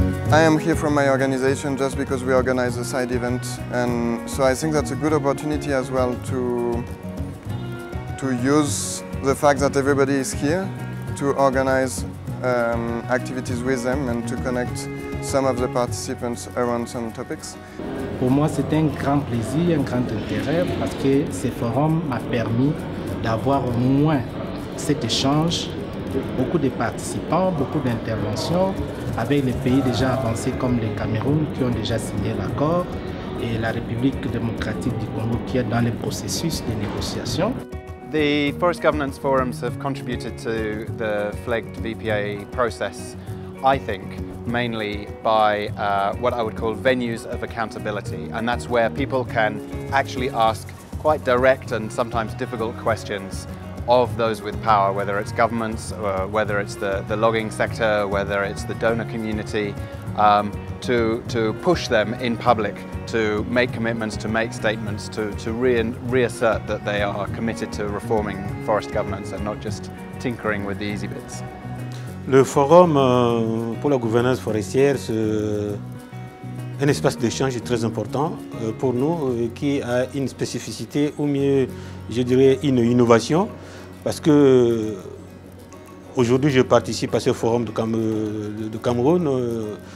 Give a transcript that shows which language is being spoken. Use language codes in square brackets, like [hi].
[en] I am here from my organization just because we organize a side event, and so I think that's a good opportunity as well to use the fact that everybody is here to organize activities with them and to connect some of the participants around some topics. [fr] Pour moi, c'est un grand plaisir, un grand intérêt, parce que ce forum m'a permis d'avoir au moins cet échange, beaucoup de participants, beaucoup d'interventions avec les pays déjà avancés comme le Cameroun qui ont déjà signé l'accord et la République démocratique du Congo qui est dans le processus de négociation. [en] The Forest Governance Forums have contributed to the flagged VPA process, I think, mainly by what I would call venues of accountability. And that's where people can actually ask quite direct and sometimes difficult questions of those with power, whether it's governments, or whether it's the logging sector, whether it's the donor community, to push them in public to make commitments, to make statements, to reassert that they are committed to reforming forest governance and not just tinkering with the easy bits. [fr] Le forum pour la gouvernance forestière, c'est un espace d'échange très important pour nous, qui a une spécificité, ou mieux, je dirais, une innovation. Parce que aujourd'hui, je participe à ce forum de Cameroun.